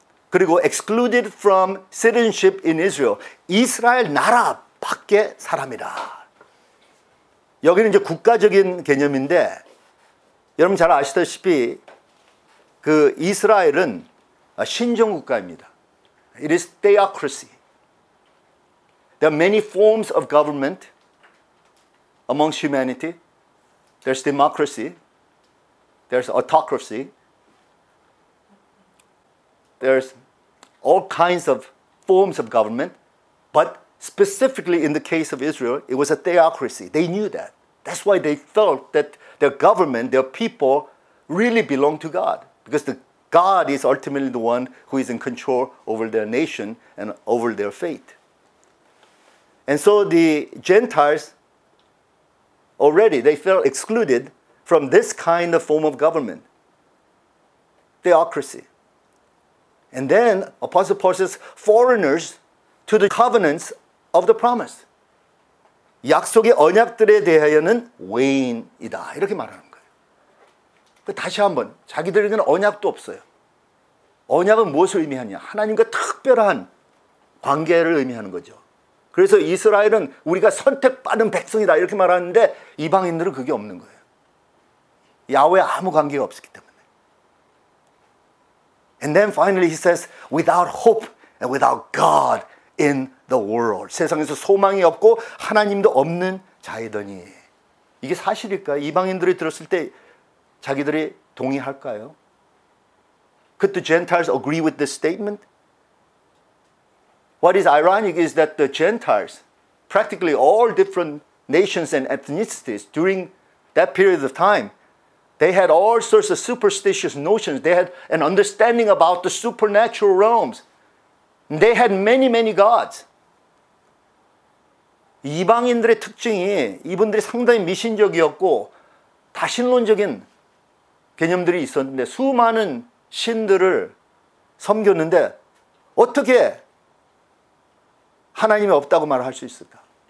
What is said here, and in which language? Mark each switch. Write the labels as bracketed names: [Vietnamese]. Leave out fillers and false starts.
[Korean] 그리고 [English] excluded from citizenship in Israel, [Korean] 이스라엘 나라 밖에 사람이라. 여기는 이제 국가적인 개념인데 여러분 잘 아시다시피 그 이스라엘은 신정 국가입니다. [English] It is theocracy. There are many forms of government among humanity. There's democracy. There's autocracy. There's all kinds of forms of government, but specifically in the case of Israel, it was a theocracy. They knew that. That's why they felt that their government, their people, really belong to God. Because the God is ultimately the one who is in control over their nation and over their fate. And so the Gentiles already, they felt excluded from this kind of form of government. Theocracy. And then Apostle Paul says, foreigners to the covenants of the promise. [Korean] 약속의 언약들에 대하여는 외인이다. 이렇게 말하는 거예요. 다시 한번, 자기들에게는 언약도 없어요. 언약은 무엇을 의미하냐? 하나님과 특별한 관계를 의미하는 거죠. 그래서 이스라엘은 우리가 선택받은 백성이다. 이렇게 말하는데 이방인들은 그게 없는 거예요. 야훼와 아무 관계가 없었기 때문에. [English] And then finally he says, without hope and without God in the world. [Korean] 세상에서 소망이 없고 하나님도 없는 자이더니. 이게 사실일까요? 이방인들이 들었을 때 자기들이 동의할까요? [English] Could the Gentiles agree with this statement? What is ironic is that the Gentiles, practically all different nations and ethnicities during that period of time, they had all sorts of superstitious notions. They had an understanding about the supernatural realms. They had many, many gods. [Korean] 이방인들의 특징이 이분들이 상당히 미신적이었고 다신론적인 개념들이 있었는데 수많은 신들을 섬겼는데 어떻게 하나님이 없다고 말할 수 있을까?